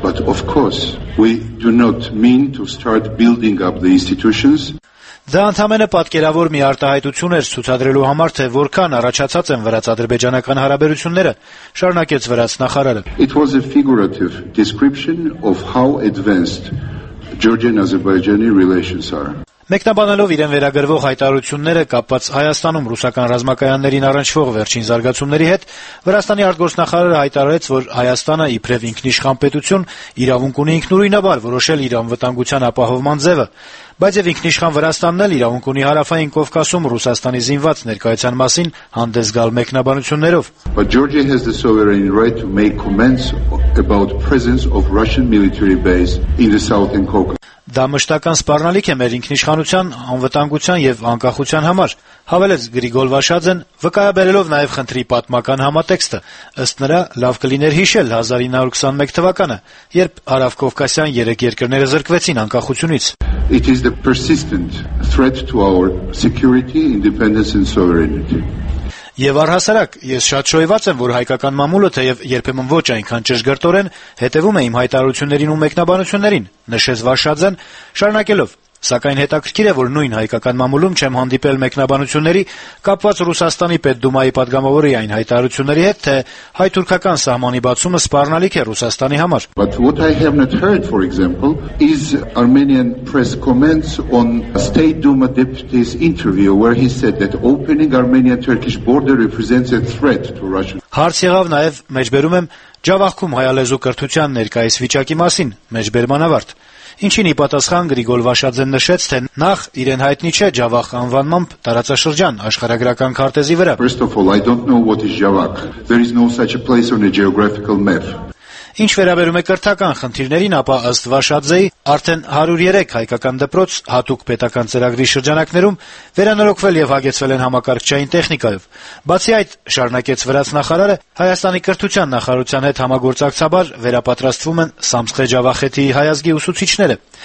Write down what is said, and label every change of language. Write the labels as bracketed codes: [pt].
[en] But of course, we do not mean to start building up the institutions. [hy] Դա ընդհանրապես պատկերավոր մի արտահայտություն էր ցուցադրելու համար, թե որքան առաջացած են վրաց-ադրբեջանական հարաբերությունները, շարունակեց վրաց նախարարը. [en] It was a figurative description of how advanced Georgian-Azerbaijani relations are. [hy] Մեկնաբանելով իրեն վերագրվող հայտարարությունները կապված Հայաստանում ռուսական ռազմակայաններին առնչվող վերջին զարգացումների հետ, Վրաստանի արտգործնախարարը հայտարարեց, որ Հայաստանը իբրև ինքնիշխան պետություն իրավունք ունի ինքնուրույնաբար որոշել իր անվտանգության ապահովման ձևը, բայց եւ ինքնիշխան Վրաստանն էլ իրավունք ունի հարավային Կովկասում Ռուսաստանի զինված ներկայության մասին հանդես գալ մեկնաբանություններով։ [en] But Georgia has the sovereign right to make comments about presence of Russian military base in the Southern Caucasus. [hy] Դա մշտական սպառնալիք է մեր ինքնիշխանության, անվտանգության եւ անկախության համար, հավելեց Գրիգոլ Վաշաձեն, վկայաբերելով նաեւ խնդրի պատմական համատեքստը։ Ըստ նրա, լավ կլիներ հիշել 1921 թվականը, երբ Հարավ-Կովկասյան 3 երկրները զրկվեցին անկախությունից։ [en] It is the persistent threat to our security, independence and sovereignty. [hy] Եվ առհասարակ ես շատ շոյված եմ, որ հայկական մամուլը, թեև երբեմն ոչ այնքան ճշգրտորեն, հետևում է իմ հայտարարություններին ու մեկնաբանություններին, նշեց Վաշաձեն, շարունակելով. Սակայն հետաքրքիր է, որ նույն հայկական մամուլում չեմ հանդիպել մեկնաբանությունների կապված Ռուսաստանի պետդումայի պատգամավորի այն հայտարարությունների հետ, թե հայ-թուրքական սահմանի բացումը սպառնալիք է Ռուսաստանի համար։ [en] But what I have not heard, for example, is Armenian press comments on a State Duma deputy's interview where he said that opening Armenian-Turkish border represents a threat to Russia. [hy] Հարց եղավ նաև, մեջբերում եմ, ջավախքում հայալեզու կրթության ներկայիս վիճակի մասին, մեջբերման ավարտ։ Ինչինի պատասխան Գրիգոլ Վաշաձեն նշեց, թե նախ իրեն հայտնի չէ Ջավախ անվանումը տարածաշրջան աշխարհագրական քարտեզի վրա։ [en] First of all, I don't know what is Javakh. There is no such a place on a geographical map. [hy] Ինչ վերաբերում է կրթական խնդիրներին, ապա ըստ Վաշաձեի, արդեն 103 հայկական դպրոց հատուկ պետական ծրագրի շրջանակներում վերանորոգվել եւ հագեցվել են համակարգչային տեխնիկայով։ Բացի այդ, շարունակեց վրաց նախարարը, Հայաստանի կրթության նախարարության հետ համագործակցաբար վերապատրաստվում են Սամսխե Ջավախեթի հայազգի ուսուցիչները։